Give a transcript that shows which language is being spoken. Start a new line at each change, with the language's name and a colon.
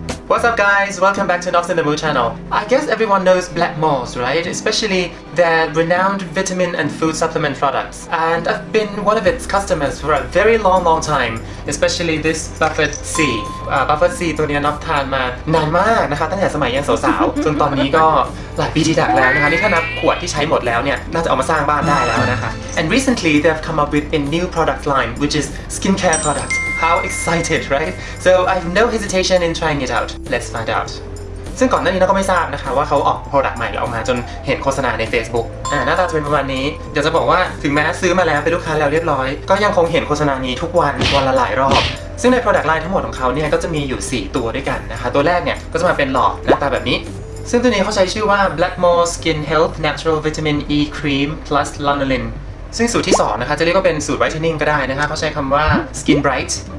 English: What's up guys, welcome back to KnoxInTheMood channel. I guess everyone knows Blackmores, right? Especially their renowned vitamin and food supplement products. And I've been one of its customers for a very long, long time. Especially this Buffet C.
Thai: Buffet C ตัวนี้นับทานมานานมากนะคะตั้งแต่สมัยยังสาวๆจนตอนนี้ก็หลายปีที่ดักแล้วนะคะนี่ถ้านับขวดที่ใช้หมดแล้วเนี่ยน่าจะเอามาสร้างบ้านได้แล้วนะคะ
English: And recently they've come up with a new product line, which is skincare productsHow excited, right? So I have no hesitation in trying it out. Let's find out.
Thai: ซึ่งก่อนหน้านี้เราก็ไม่ทราบนะคะว่าเขาออกโปรดักต์ใหม่ออกมาจนเห็นโฆษณาใน Facebook หน้าตาจะเป็นประมาณนี้เดี๋ยวจะบอกว่าถึงแม้ซื้อมาแล้วเป็นลูกค้าแล้วเรียบร้อยก็ยังคงเห็นโฆษณานี้ทุกวันวันละหลายรอบซึ่งในโปรดักต์ไลน์ทั้งหมดของเขาเนี่ยก็จะมีอยู่4ตัวด้วยกันนะคะตัวแรกเนี่ยก็จะมาเป็นหลอดหน้าตาแบบนี้ซึ่งตัวนี้เขาใช้ชื่อว่า Blackmore Skin Health Natural Vitamin E Cream Plus Lanolin ซึ่งสูตรที่2นะคะจะเรียกว่าเป็นสูตรไวท์เทนนิ่งก็ได้นะคะเขาใช้คำว่า Skin Bright